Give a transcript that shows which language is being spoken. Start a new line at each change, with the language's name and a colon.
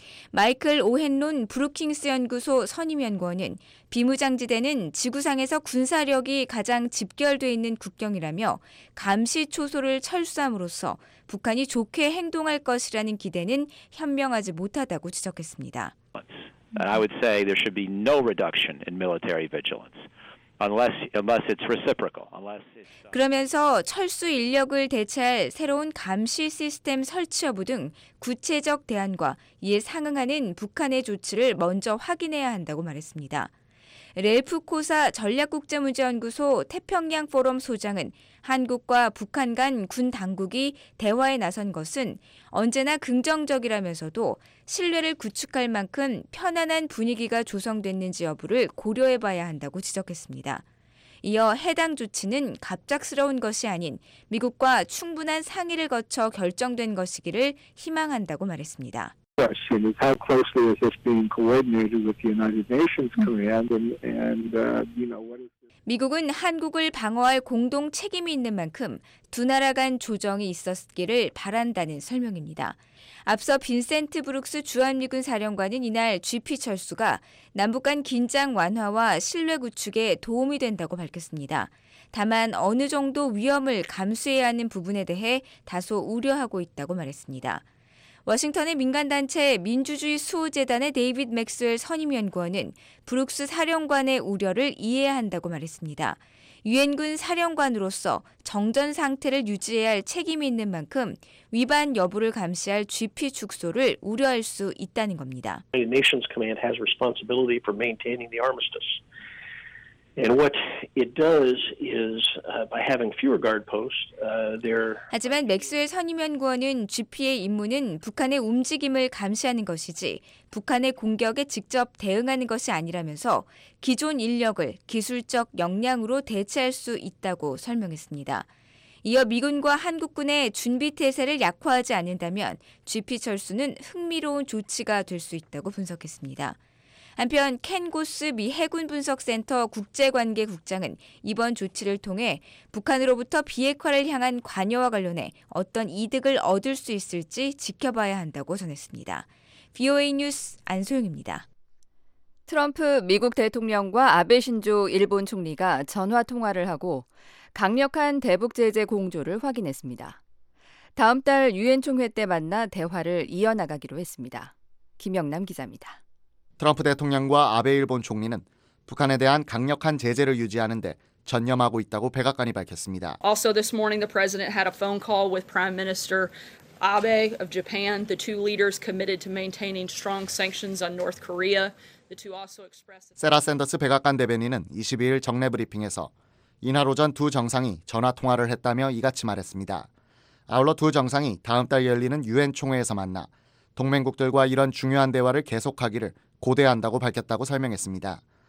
Korean: 마이클 오헨론 브루킹스 연구소 선임연구원은 비무장지대는 지구상에서 군사력이 가장 집결돼 있는 국경이라며 감시초소를 철수함으로써 북한이 좋게 행동할 것이라는 기대는 현명하지 못하다고 지적했습니다.
English: And I would say there should be no reduction in military vigilance. Unless it's reciprocal. Unless it's
Korean: 그러면서 철수 인력을 대체할 새로운 감시 시스템 설치 여부 등 구체적 대안과 이에 상응하는 북한의 조치를 먼저 확인해야 한다고 말했습니다. 랠프 코사 전략국제문제연구소 태평양 포럼 소장은 한국과 북한 간 군 당국이 대화에 나선 것은 언제나 긍정적이라면서도 신뢰를 구축할 만큼 편안한 분위기가 조성됐는지 여부를 고려해봐야 한다고 지적했습니다. 이어 해당 조치는 갑작스러운 것이 아닌 미국과 충분한 상의를 거쳐 결정된 것이기를 희망한다고 말했습니다.
English: Yes, I mean, how closely is this being coordinated with the United Nations command? And
Korean: 미국은 한국을 방어할 공동 책임이 있는 만큼 두 나라 간 조정이 있었기를 바란다는 설명입니다. 앞서 빈센트 브룩스 주한미군 사령관은 이날 GP 철수가 남북 간 긴장 완화와 신뢰 구축에 도움이 된다고 밝혔습니다. 다만 어느 정도 위험을 감수해야 하는 부분에 대해 다소 우려하고 있다고 말했습니다. 워싱턴의 민간단체 민주주의 수호재단의 데이빗 맥스웰 선임연구원은 브룩스 사령관의 우려를 이해한다고 말했습니다. 유엔군 사령관으로서 정전 상태를 유지해야 할 책임이 있는 만큼 위반 여부를 감시할 GP 축소를 우려할 수 있다는 겁니다.
English: The Nations Command has responsibility for maintaining the armistice. And what it does is by having fewer guard posts, there.
Korean: 하지만 맥스웰 선임연구원은 GP의 임무는 북한의 움직임을 감시하는 것이지 북한의 공격에 직접 대응하는 것이 아니라면서 기존 인력을 기술적 역량으로 대체할 수 있다고 설명했습니다. 이어 미군과 한국군의 준비 태세를 약화하지 않는다면 GP 철수는 흥미로운 조치가 될 수 있다고 분석했습니다. 한편 켄 고스 미 해군분석센터 국제관계국장은 이번 조치를 통해 북한으로부터 비핵화를 향한 관여와 관련해 어떤 이득을 얻을 수 있을지 지켜봐야 한다고 전했습니다. VOA 뉴스 안소영입니다. 트럼프 미국 대통령과 아베 신조 일본 총리가 전화 통화를 하고 강력한 대북 제재 공조를 확인했습니다. 다음 달 유엔 총회 때 만나 대화를 이어나가기로 했습니다. 김영남 기자입니다. 트럼프 대통령과 아베 일본 총리는 북한에 대한 강력한 제재를 유지하는 데 전념하고 있다고 백악관이 밝혔습니다.
English: Also this morning the president had a phone call with Prime Minister Abe of Japan. The two leaders committed to maintaining strong sanctions on North Korea.
Korean: 세라 샌더스 백악관 대변인은 22일 정례 브리핑에서 이날 오전 두 정상이 전화 통화를 했다며 이같이 말했습니다. 아울러 두 정상이 다음 달 열리는 유엔 총회에서 만나 동맹국들과 이런 중요한 대화를 계속하기를 고대한다고 밝혔다고 설명했습니다.